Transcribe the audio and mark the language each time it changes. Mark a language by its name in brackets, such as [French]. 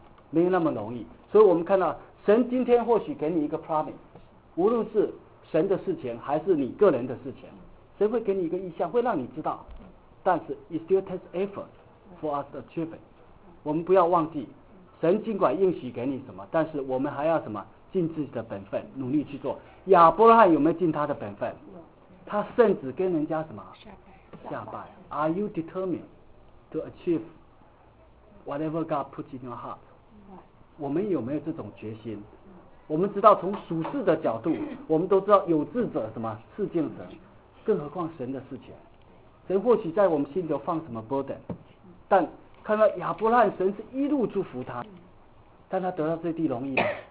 [Chinese] 没有那么容易，所以我们看到神今天或许给你一个 promise， 无论是神的事情还是你个人的事情，神会给你一个意向，会让你知道，但是 [English] it still takes effort for us to achieve it。 [Chinese] 我们不要忘记，神尽管应许给你什么，但是我们还要什么，尽自己的本分努力去做。亚伯拉罕有没有尽他的本分？他甚至跟人家什么下拜。 [English] Are you determined to achieve whatever God puts in your heart？ [Chinese] 我们有没有这种决心？我们知道从属世的角度，我们都知道有志者什么事竟成，更何况神的事情。神或许在我们心里头放什么 burden， 但看到亚伯拉罕，神是一路祝福他，但他得到这地容易吗？